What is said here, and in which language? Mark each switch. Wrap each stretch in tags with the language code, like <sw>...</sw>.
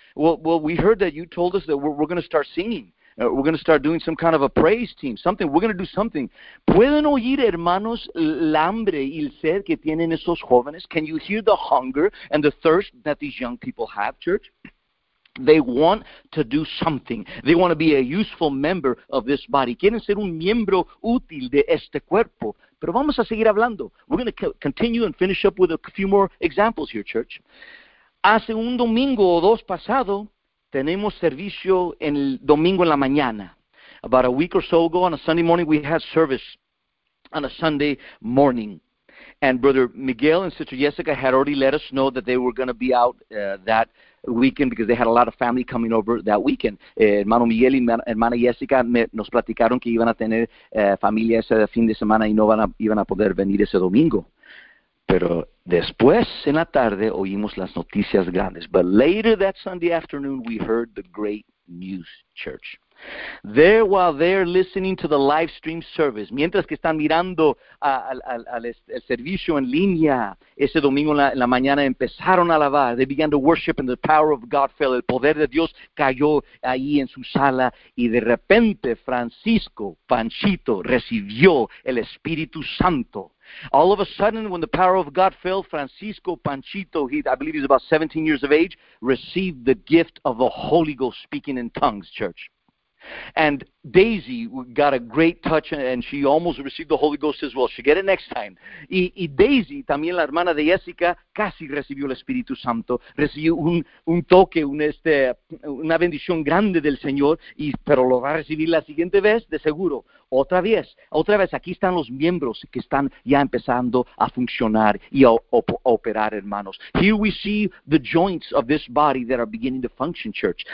<en>Well, we heard that you told us that we're going to start singing. We're going to start doing some kind of a praise team, something. We're going to do something.</en> <es>¿Pueden oír, hermanos, el hambre y el sed que tienen esos jóvenes?</es> <en>Can you hear the hunger and the thirst that these young people have, church? They want to do something. They want to be a useful member of this body.</en> <es>Quieren ser un miembro útil de este cuerpo. Pero vamos a seguir hablando.</es> <en>We're going to continue and finish up with a few more examples here, church.</en> <es>Hace un domingo o dos pasado, tenemos servicio el domingo en la mañana.</es> <en>About a week or so ago, on a Sunday morning, we had service on a Sunday morning. And Brother Miguel and Sister Jessica had already let us know that they were going to be out that weekend because they had a lot of family coming over that weekend.</en> <es>Hermano Miguel y hermana Jessica nos platicaron que iban a tener familia ese fin de semana y no iban a poder venir ese domingo. Pero después, en la tarde, oímos las noticias grandes.</es> <en>But later that Sunday afternoon, we heard the great news, church. There, while they're listening to the live stream service,</en> <es>mientras que están mirando al servicio en línea, ese domingo en la mañana empezaron a alabar.</es> <en>They began to worship and the power of God fell.</en> <es>El poder de Dios cayó ahí en su sala y de repente Francisco Panchito recibió el Espíritu Santo.</es> <en>All of a sudden, when the power of God fell, Francisco Panchito, I believe he's about 17 years of age, received the gift of the Holy Ghost speaking in tongues, church. And Daisy got a great touch, and she almost received the Holy Ghost as well. She'll get it next time.</en> <es>Y Daisy, también la hermana de Jessica, casi recibió el Espíritu Santo. Recibió un toque, una bendición grande del Señor, pero lo va a recibir la siguiente vez, de seguro. Otra vez, aquí están los miembros que están ya empezando a funcionar y a operar, hermanos.</es> <en>Here we see the joints of this body that are beginning to function, church.</en>